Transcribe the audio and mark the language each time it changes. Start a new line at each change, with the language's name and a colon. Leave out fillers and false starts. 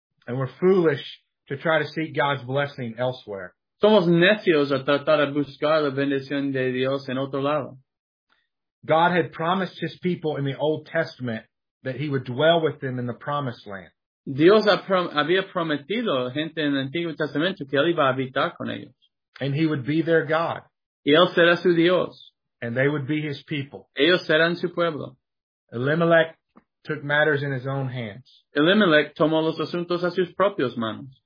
English: And we're foolish to try to seek God's blessing elsewhere.
Spanish: Somos necios a tratar de buscar la bendición de Dios en otro lado.
English: God had promised his people in the Old Testament that he would dwell with them in the promised land.
Spanish: Dios había prometido a gente en el Antiguo Testamento que él iba a habitar con ellos.
English: And he would be their God.
Spanish: Y él será su Dios.
English: And they would be his people.
Spanish: Ellos serán su pueblo.
English: Elimelech took matters in his own hands.
Spanish: Elimelech tomó los asuntos a sus propias manos.